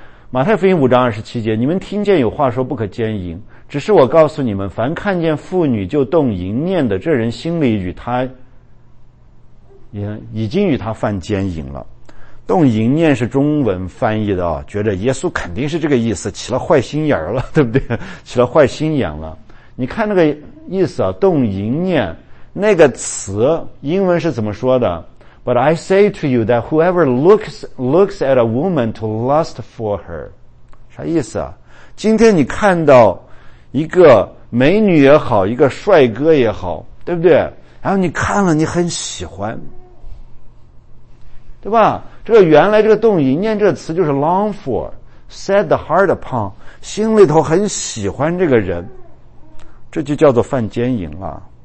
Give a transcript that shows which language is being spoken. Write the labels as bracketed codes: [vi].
[zh] 马太福音5章27节，你们听见有话说不可奸淫，只是我告诉你们，凡看见妇女就动淫念的，这人心里与他已经与他犯奸淫了。动淫念是中文翻译的，觉得耶稣肯定是这个意思，起了坏心眼了，对不对？起了坏心眼了。你看那个意思啊，动淫念那个词英文是怎么说的？ [en] But I say to you that whoever looks at a woman to lust for her. [zh] 啥意思啊？今天你看到一个美女也好，一个帅哥也好，对不对？然后你看了你很喜欢，对吧？这个原来这个动淫念这个词就是 [en] long for， set the heart upon， [zh] 心里头很喜欢这个人，这就叫做犯奸淫了。